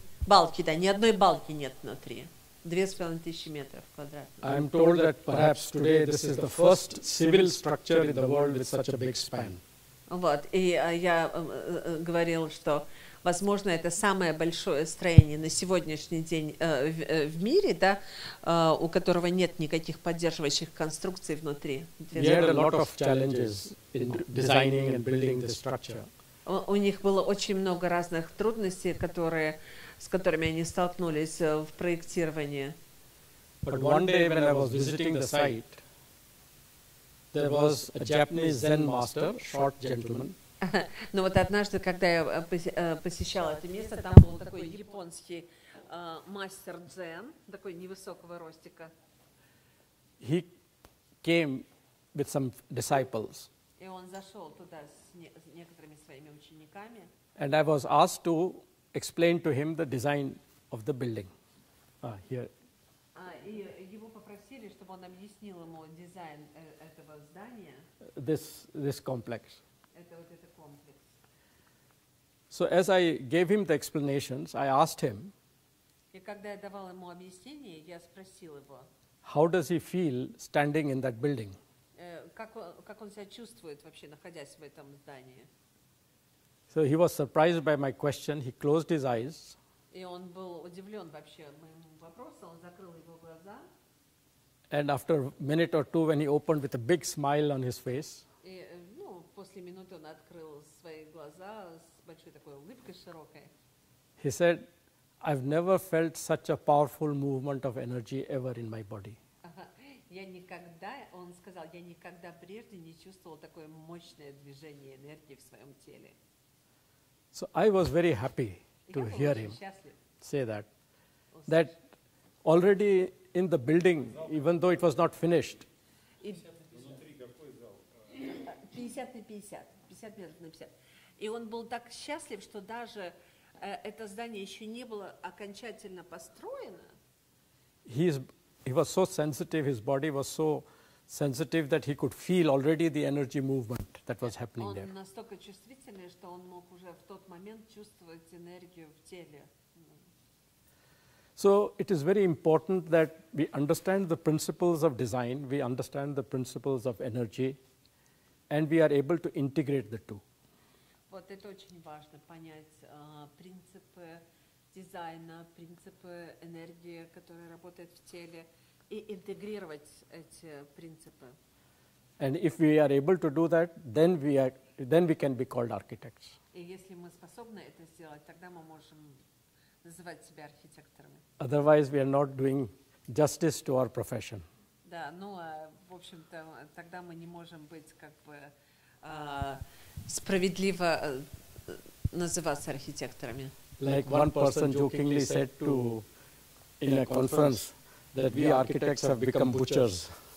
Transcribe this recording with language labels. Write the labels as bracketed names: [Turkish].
[Russian] Балки, да, ни одной балки нет внутри. 2,500 метров квадратных. [English] I'm told that perhaps today this is the first civil structure in the world with such a big span. [Russian] Вот, и я говорил, что, возможно, это самое большое строение на сегодняшний день в мире, да, у которого нет никаких поддерживающих конструкций внутри. [English] We had a lot of challenges in designing and building the structure. [Russian] У них было очень много разных трудностей, которые с которыми они столкнулись в проектировании. [English] But one day when I was visiting the site, there was a Japanese Zen master, short gentleman. [Russian] Но вот однажды, когда я посещал это место, там был такой японский мастер дзен, такой невысокого ростика. [English] He came with some disciples. [Russian] И он зашел туда с некоторыми своими учениками. [English] And I was asked to explain to him the design of the building. Here. [Russian] И его попросили, чтобы он объяснил ему дизайн этого здания. [English] This complex. [Russian] Это вот этот комплекс. [English] So as I gave him the explanations, I asked him. [Russian] И когда я давал ему объяснение, я спросил его. [English] How does he feel standing in that building? [Russian] Как он себя чувствует вообще, находясь в этом здании? [English] So he was surprised by my question. He closed his eyes. [Russian] И он был удивлен вообще моим вопросом. Он закрыл его глаза. [English] And after a minute or two, when he opened with a big smile on his face. [Russian] И, ну, после минуты он открыл свои глаза с большой такой улыбкой широкой. [English] He said, "I've never felt such a powerful movement of energy ever in my body." [Russian] Я никогда, он сказал, я никогда прежде не чувствовал такое мощное движение энергии в своем теле. [English] So I was very happy to hear him say that. That already in the building, even though it was not finished. [Russian] 50 на 50. И он был так счастлив, что даже это здание еще не было окончательно построено. [English] He was so sensitive, his body was so sensitive that he could feel already the energy movement that was happening there. [Russian] Он настолько чувствительный, что он мог уже в тот момент чувствовать энергию в теле. [English] So it is very important that we understand the principles of design, we understand the principles of energy, and we are able to integrate the two. [Russian] Вот это очень важно, понять принципы дизайна, принципы энергии, которая работает в теле, и интегрировать эти принципы. [English] And if we are able to do that, then we can be called architects. [Russian] И если мы способны это сделать, тогда мы можем называть себя архитекторами. [English] Otherwise, we are not doing justice to our profession. [Russian] Да, ну, в общем-то, тогда мы не можем быть как бы справедливо называться архитекторами. [English] Like one person jokingly said to in a conference, that we architects have become butchers.